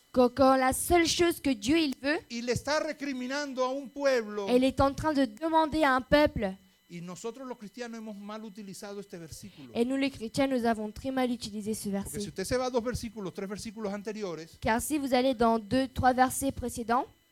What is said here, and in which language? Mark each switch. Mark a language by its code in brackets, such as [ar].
[fr] Quand la seule chose que Dieu il veut. [es] Il está recriminando a un pueblo. [fr] Elle est en train de demander à un peuple. [es] Y nosotros los cristianos hemos mal utilizado este versículo. [fr] Et nous les chrétiens nous avons très mal utilisé ce verset. [es] Porque si usted se va a dos versículos, tres versículos anteriores. [fr] Car si vous allez dans deux, trois versets précédents.